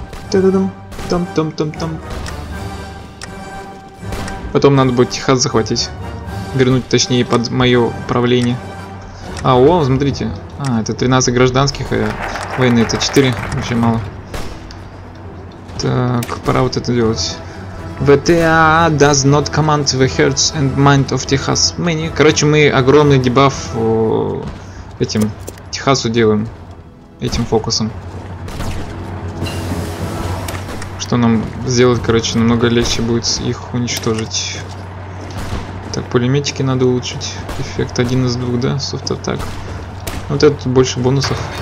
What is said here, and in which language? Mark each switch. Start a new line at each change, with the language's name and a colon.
Russian: Там. Потом надо будет Техас захватить. Вернуть, точнее, под мое управление. А, о, смотрите. А, это 13 гражданских, а войны это 4. Вообще мало. Так, пора вот это делать.
English: VTA does not command the hearts and mind of Texas. Many.
Russian: Короче, мы огромный дебаф этим Техасу делаем. Этим фокусом. Что нам сделать, короче, намного легче будет их уничтожить. Так, пулеметики надо улучшить. Эффект 1 из 2, да? Софт-атак. Вот это больше бонусов.